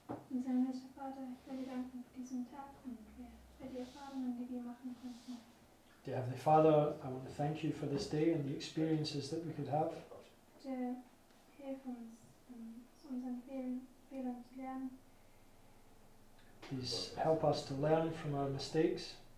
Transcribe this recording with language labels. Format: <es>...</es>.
<de>Unser himmlischer Vater, ich will dir danken für diesen Tag und für die Erfahrungen, die wir machen konnten.</de> <en>Dear Heavenly Father, I want to thank you for this day and the experiences that we could have.</en> <de>Bitte hilf uns, aus unseren Fehlern zu lernen.</de> <en>Please help us to learn from our mistakes.</en>